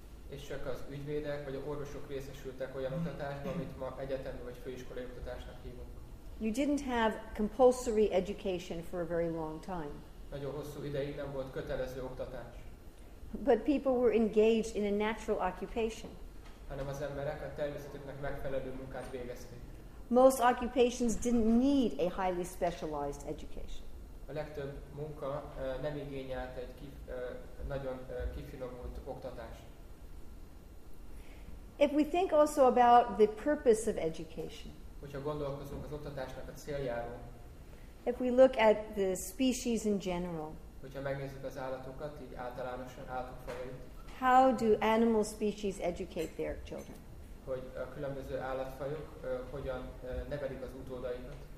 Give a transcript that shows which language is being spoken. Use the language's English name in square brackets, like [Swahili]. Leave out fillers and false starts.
[Hungarian] És csak az ügyvédek vagy a orvosok részesültek olyan oktatásban, amit ma egyetemi vagy főiskolai oktatásnak hívunk. [English] You didn't have compulsory education for a very long time. [Hungarian] Nagyon hosszú ideig nem volt kötelező oktatás. [English] But people were engaged in a natural occupation. [Hungarian] Hanem az emberek a természetüknek megfelelő munkát végezték. [English] Most occupations didn't need a highly specialized education. [Hungarian] A legtöbb munka nem igényelt egy nagyon kifinomult oktatást. [English] If we think also about the purpose of education. [Hungarian] Hogyha gondolkozunk az oktatásnak a céljáról. [English] If we look at the species in general. [Hungarian] Hogyha megnézzük az állatokat, így általánosan állatok fajait. [English] How do animal species educate their children? [Hungarian] Hogy a különböző állatfajok hogyan nevelik az utódaikat?